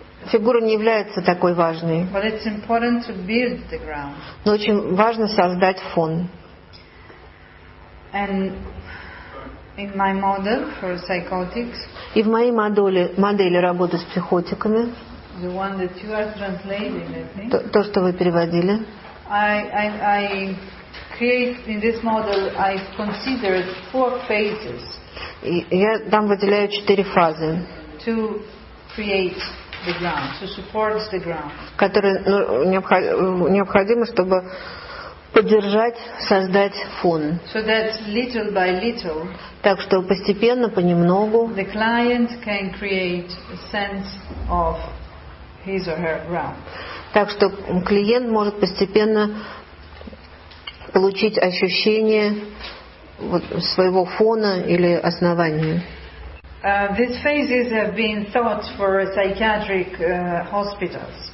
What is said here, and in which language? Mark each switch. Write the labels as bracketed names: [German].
[Russian] Фигура не является такой важной. [English] But it's important to build the ground. [Russian] Но очень важно создать фон. [English] And in my model for psychotics, [Russian] и в моей модели работы с психотиками, [English] the one that you are translating, I think, [Russian] то, что вы переводили, [English] I create in this model, I consider four phases. [Russian] Я там выделяю четыре фазы. [English] To create the ground, to support the ground. [Russian] Которые необходимо, чтобы поддержать, создать фон. [English] So that little by little, [Russian] так что постепенно, понемногу, [English] the client can create a sense of his or her ground. [Russian] Так что клиент может постепенно получить ощущение своего фона или основания. [English] These phases have been thought for psychiatric hospitals.